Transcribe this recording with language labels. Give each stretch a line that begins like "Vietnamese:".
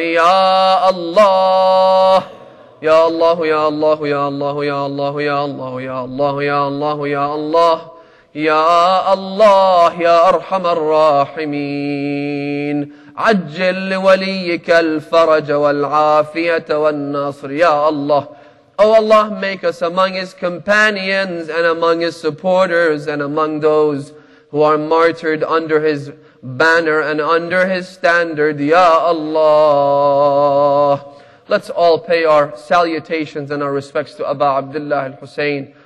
Arabic: Ya Allah, Ya Allah, Ya Allah, Ya Allah, Ya Allah, Ya Allah, Ya Allah, Ya Allah, Ya Allah, يا الله يا أرحم الراحمين. عجل لوليك الفرج والعافية والنصر. يا الله.
English: Oh Allah, make us among his companions and among his supporters and among those who are martyred under his banner and under his standard.
Arabic: يا الله.
English: Let's all pay our salutations and our respects to Abu Abdullah al-Hussein.